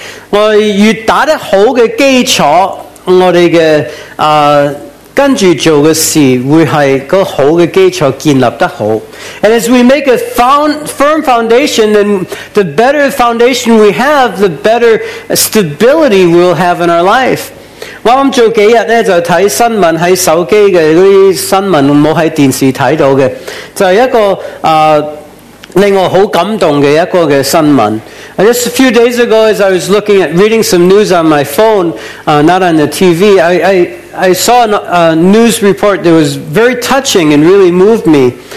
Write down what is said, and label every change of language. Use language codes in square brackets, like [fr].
[yue] 我哋越打得好嘅基础，我哋嘅跟住做嘅事会系个好嘅基础建立得好。 [en] And as we make a firm foundation, then the better foundation we have, the better stability we'll have in our life. [yue] 我啱做几日咧，就睇新闻喺手机嘅嗰啲新闻，冇喺电视睇到嘅，就系一个令我好感动嘅一个嘅新闻。 [en] Just a few days ago, as I was looking at reading some news on my phone, not on the TV, I saw a news report that was very touching and really moved me.